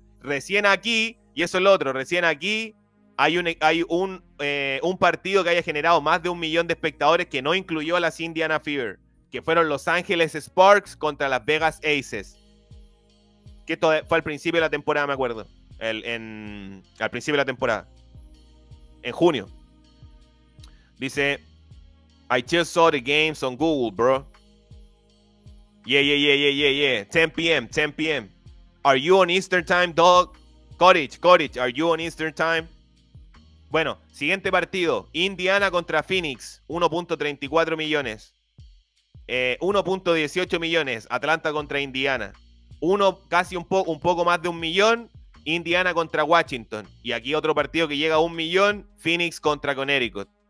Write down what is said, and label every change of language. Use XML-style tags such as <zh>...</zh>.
<es>Recién aquí, y eso es lo otro, recién aquí hay un partido que haya generado más de 1 millón de espectadores que no incluyó a las Indiana Fever, que fueron Los Ángeles Sparks contra Las Vegas Aces. Que esto fue al principio de la temporada, me acuerdo. Al principio de la temporada. En junio. Dice,</es> <en>I just saw the games on Google, bro. Yeah. 10 p.m. Are you on Eastern Time, dog? Cottage, are you on Eastern Time?</en> <es>Bueno, siguiente partido. Indiana contra Phoenix. 1.34 millones. 1.18 millones. Atlanta contra Indiana. Casi un poco más de 1 millón. Indiana contra Washington. Y aquí otro partido que llega a 1 millón. Phoenix contra Connecticut.</es>